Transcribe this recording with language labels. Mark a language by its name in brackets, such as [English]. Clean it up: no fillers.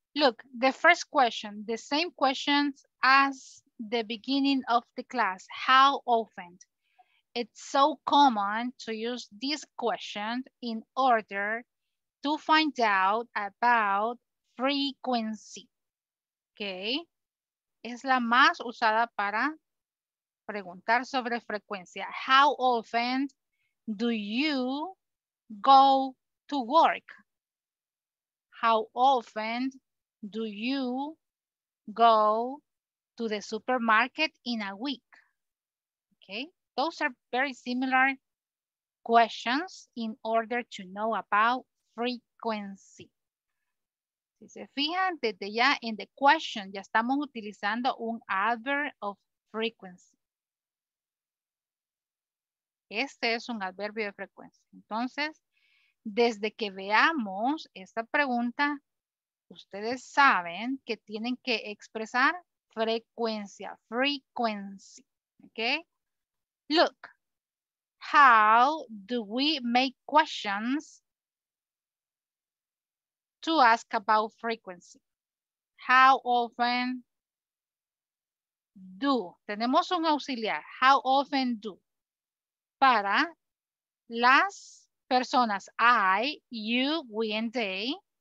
[English] Look, the first question, the same questions as the beginning of the class. How often? It's so common to use this question in order to find out about frequency. Okay? [Spanish] Es la más usada para preguntar sobre frecuencia. [English] How often do you go to work? How often do you go to the supermarket in a week? Okay, those are very similar questions in order to know about frequency. [Spanish] Si se fijan, desde ya en [English] the question, [Spanish] ya estamos utilizando un [English] adverb of frequency. [Spanish] Este es un adverbio de frecuencia. Entonces, desde que veamos esta pregunta, ustedes saben que tienen que expresar frecuencia, frequency, okay? [English] Look, how do we make questions to ask about frequency? How often do? [Spanish] Tenemos un auxiliar, [English] how often do? [Spanish] Para las personas, I, you, we, and they.